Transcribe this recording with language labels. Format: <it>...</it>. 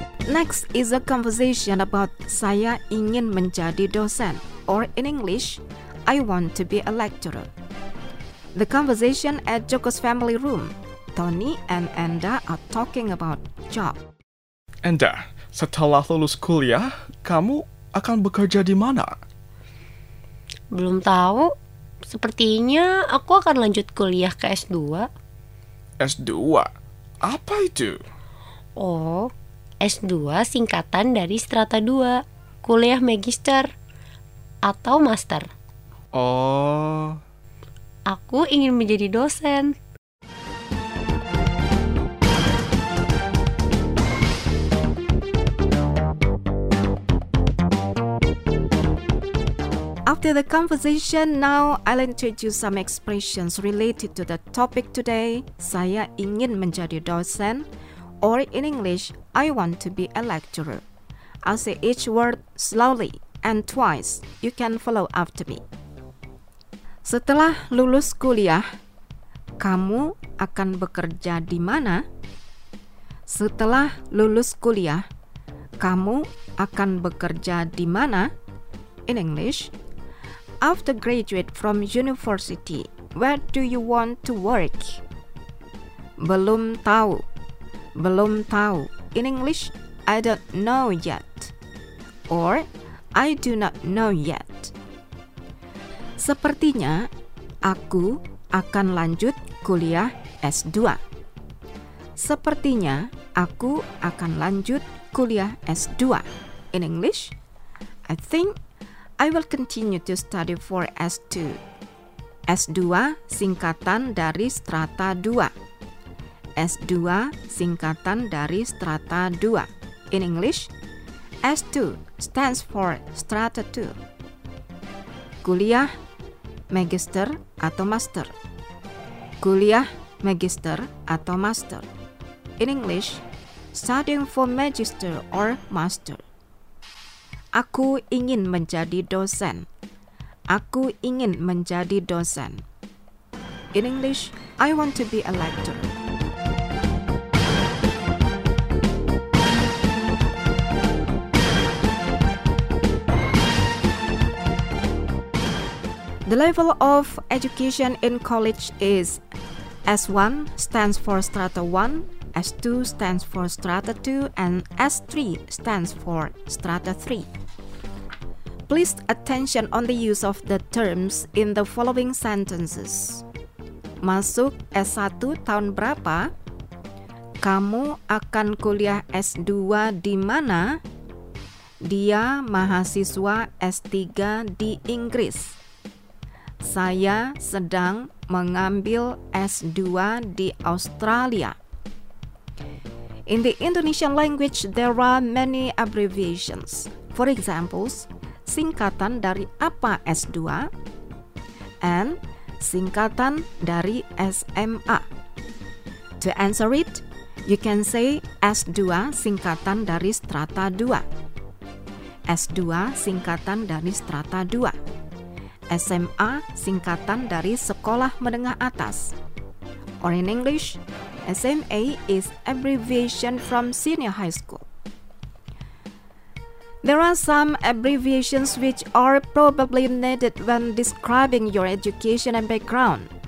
<en>Next is a conversation about</en> <id>saya ingin menjadi dosen,</id> <en>or in English, I want to be a lecturer. The conversation at Joko's family room. Tony and Enda are talking about job.</en> <id>Enda, setelah lulus kuliah, kamu akan bekerja di mana? Belum tahu. Sepertinya aku akan lanjut kuliah ke S2. S2? Apa itu? Oh, S2 singkatan dari strata 2, kuliah magister atau master. Oh. Aku ingin menjadi dosen.</id> <en>After the conversation, now I'll introduce some expressions related to the topic today.</en> <id>Saya ingin menjadi dosen.</id> <en>Or in English, I want to be a lecturer. I'll say each word slowly and twice. You can follow after me.</en> <id>Setelah lulus kuliah, Kamu akan bekerja di mana? Setelah lulus kuliah, kamu akan bekerja di mana?</id> <en>In English, after graduate from university, where do you want to work?</en> <id>Belum tahu. Belum tahu.</id> <en>In English, I don't know yet. Or, I do not know yet.</en> <id>Sepertinya, aku akan lanjut kuliah S2. Sepertinya, aku akan lanjut kuliah S2.</id> <en>In English, I think I will continue to study for S2.</en> <id>S2 singkatan dari strata 2. S2 singkatan dari strata 2.</id> <en>In English, S2 stands for strata 2.</en> <id>Kuliah magister atau master. Kuliah magister atau master.</id> <en>In English, studying for magister or master.</en> <id>Aku ingin menjadi dosen. Aku ingin menjadi dosen.</id> <en>In English, I want to be a lecturer. The level of education in college is S1 stands for strata 1, S2 stands for strata 2, and S3 stands for strata 3. Please attention on the use of the terms in the following sentences.</en> <id>Masuk S1 tahun berapa? Kamu akan kuliah S2 di mana? Dia mahasiswa S3 di Inggris. Saya sedang mengambil S2 di Australia.</id> <en>In the Indonesian language, there are many abbreviations. For examples,</en> <id>singkatan dari apa S2? And singkatan dari SMA.</id> <en>To answer it, you can say</en> <id>S2 singkatan dari strata 2. S2 singkatan dari strata 2. SMA singkatan dari sekolah menengah atas.</id> <en>Or in English, SMA is abbreviation from senior high school. There are some abbreviations which are probably needed when describing your education and background.</en>